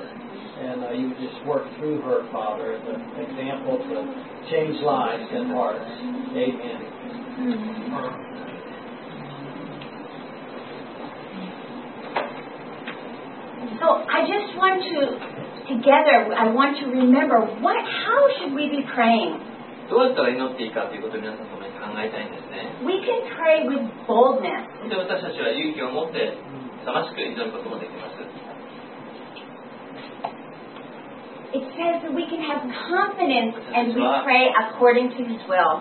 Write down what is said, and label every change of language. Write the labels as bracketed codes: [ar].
[en] And you would just work through her, Father, as an example to change lives and hearts. Amen. So I just want to, together, I want to remember, how should we be praying? [ja] どうやったら祈っていいかということを皆さんと共に考えたいんですね。 [en] We can pray with boldness. [ja] で、私たちは勇気を持って、さましく祈ることもできます。 [en] It says that we can have confidence and we pray according to His will.